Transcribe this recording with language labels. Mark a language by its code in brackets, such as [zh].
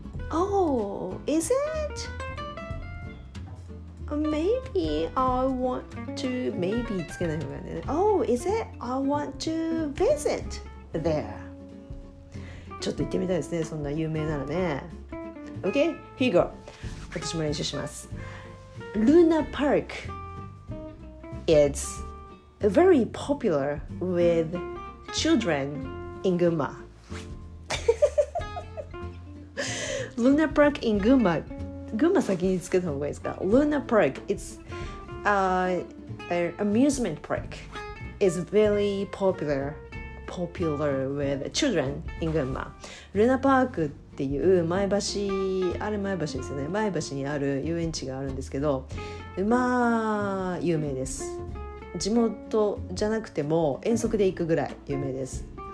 [en] Oh, is it? Maybe I want to, maybe [ja] つけない方がね。 [en] Oh, is it? I want to visit there. [ja] ちょっと行ってみたいですね、そんな有名ならね。 [en] OK, here you go. [ja] 私も練習します。 [en] Luna Park is very popular with children in Gunma. Luna Park in Gunma. [ja] 群馬先につけた方がいいですか？ [en] Luna Park It's amusement park is very popular with children in 群馬。 [ja] Luna Park っていう前橋、あれ前橋ですよね、前橋にある遊園地があるんですけど、まあ有名です。地元じゃなくても遠足で行くぐらい有名です。